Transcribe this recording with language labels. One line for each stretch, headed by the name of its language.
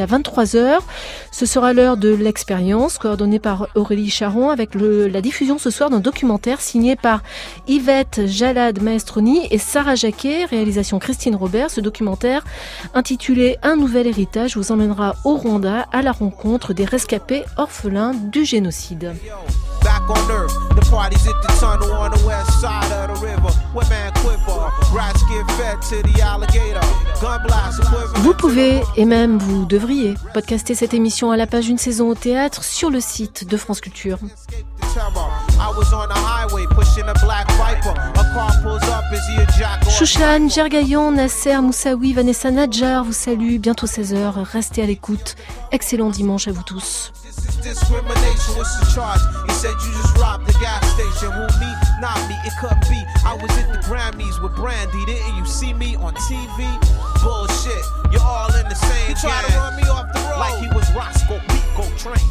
French: À 23h, ce sera l'heure de l'expérience, coordonnée par Aurélie Charron, avec la diffusion ce soir d'un documentaire signé par Yvette Jalad Maestroni et Sarah Jacquet, réalisation Christine Robert. Ce documentaire intitulé Un nouvel héritage vous emmènera au Rwanda à la rencontre des rescapés orphelins du génocide.
English: Back on earth, the party's at the tunnel on the west side of the river. Where man quiver, rats get fed to the alligator. Gun blast, quiver.
French: Vous pouvez, et même vous devriez, podcaster cette émission à la page Une saison au théâtre sur le site de France Culture.
English: I was on the highway pushing a black viper. A car pulls up, is he a jack?
French: Chouchane, Jergaillon, Nasser, Moussaoui, Vanessa Nadjar vous salue. Bientôt 16h, restez à l'écoute. Excellent dimanche à vous tous.
English: This is discrimination, what's the charge? He said you just robbed the gas station. Who, me? Not me, it could be. I was at the Grammys with Brandy. Didn't you see me on TV? Bullshit, you're all in the same gang. He tried to run me off the road like he was Roscoe Pico. whole train.